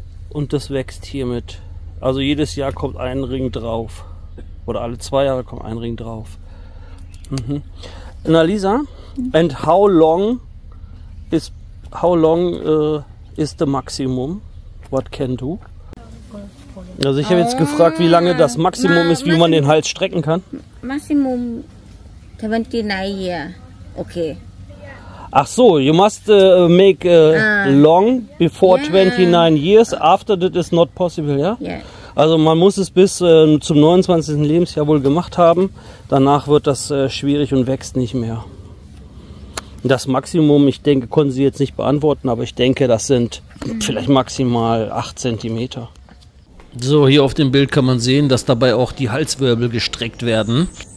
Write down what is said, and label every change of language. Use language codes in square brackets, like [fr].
[de] Und das wächst hiermit. Also jedes Jahr kommt ein Ring drauf. Oder alle 2 Jahre kommt ein Ring drauf. Mhm. [en] Na Lisa, and how long is the maximum? What can do? [de] Also ich habe jetzt gefragt, wie lange das Maximum ist, wie man den Hals strecken kann. [en] Maximum 29 years. Okay. [de] Ach so, [en] you must make long before 29 years, after that is not possible, ja? Yeah? [de] Also man muss es bis zum 29. Lebensjahr wohl gemacht haben, danach wird das schwierig und wächst nicht mehr. Das Maximum, ich denke, konnten Sie jetzt nicht beantworten, aber ich denke, das sind vielleicht maximal 8 cm. So, hier auf dem Bild kann man sehen, dass dabei auch die Halswirbel gestreckt werden.